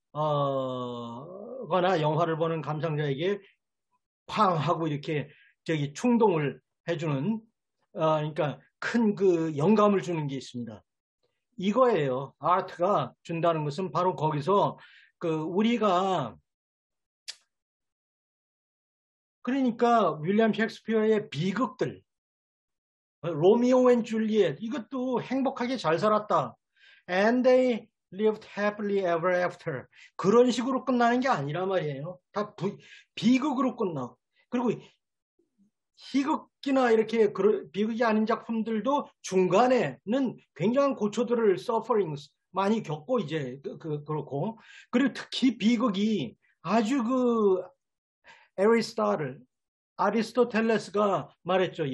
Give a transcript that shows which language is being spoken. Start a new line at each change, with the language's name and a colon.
Korean: 거나 영화를 보는 감상자에게 쾅 하고 이렇게 저기 충동을 해주는, 그러니까 큰그 영감을 주는 게 있습니다. 이거예요. 아트가 준다는 것은 바로 거기서 그 우리가 그러니까 윌리엄 셰익스피어의 비극들, 로미오 앤 줄리엣, 이것도 행복하게 잘 살았다.
English: And they lived happily ever after.
Korean: 그런 식으로 끝나는 게 아니란 말이에요. 다 비극으로 끝나. 그리고 희극이나 이렇게 비극이 아닌 작품들도 중간에는 굉장한 고초들을 sufferings 많이 겪고 이제 그렇고. 그리고 특히 비극이 아주 아리스토텔레스가 말했죠.